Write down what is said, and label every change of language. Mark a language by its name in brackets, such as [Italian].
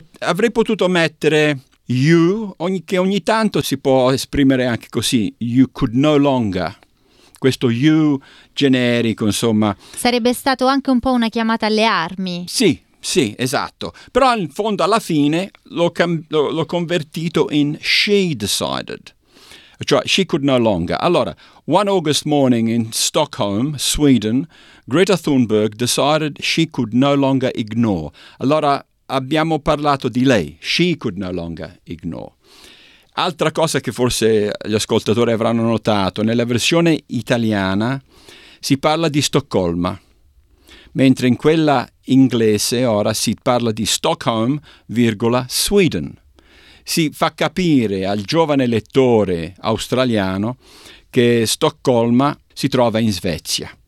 [Italian] Avrei potuto mettere [English] you, [Italian] che ogni tanto si può esprimere anche così, [English] you could no longer. [Italian] Questo you generico, insomma. Sarebbe stato anche un po' una chiamata alle armi. Sì, sì, esatto. Però in fondo, alla fine, l'ho convertito in [English] she decided. [Italian] Cioè, [English] she could no longer. [Italian] Allora, [English] one August morning in Stockholm, Sweden, Greta Thunberg decided she could no longer ignore. [Italian] Allora, abbiamo parlato di lei. [English] She could no longer ignore. [Italian] Altra cosa che forse gli ascoltatori avranno notato, nella versione italiana si parla di Stoccolma, mentre in quella inglese ora si parla di Stockholm, virgola, Sweden. Si fa capire al giovane lettore australiano che Stoccolma si trova in Svezia.